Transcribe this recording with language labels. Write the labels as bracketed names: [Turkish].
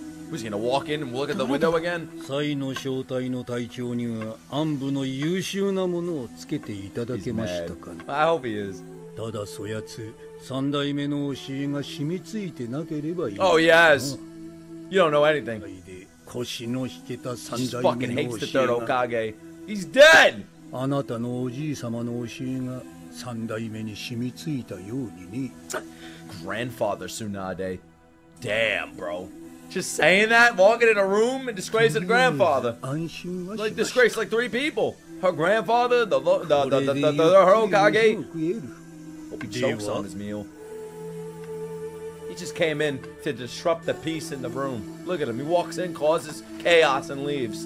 [English] Who's gonna walk in and look at the window again? [Japanese] サイの招待の隊長には暗部の優秀なものをつけていただけましたか。 [English] He's mad. I hope he is. [Japanese] ただそやつ三代目の教えが染み付いてなければいい。 [English] Oh yes, you don't know anything. [Japanese] 腰の引けた三代目の教えが。 [English] Fucking hates the third Hokage. He's dead. [Japanese] あなたのおじい様の教えが三代目に染み付いたようにね。 [English] Grandfather Tsunade. Damn, bro. Just saying that, walking in a room and disgracing the grandfather. [Japanese] 安心はしました。 [English] Like disgrace like three people. Her grandfather, the Hokage. He chokes on his meal. He just came in to disrupt the peace in the room. Look at him. He walks in, causes chaos, and leaves.